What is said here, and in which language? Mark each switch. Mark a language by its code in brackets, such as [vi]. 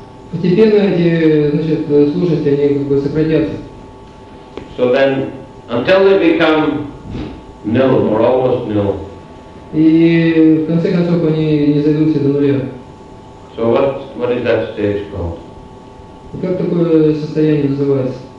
[ru] Постепенно эти, значит, слушатели, они как бы сократятся. [en] So then, until they become nil or almost nil. [ru] И в конце концов они не зайдут до нуля. [en] So what is that stage called? [ru] Как такое состояние называется?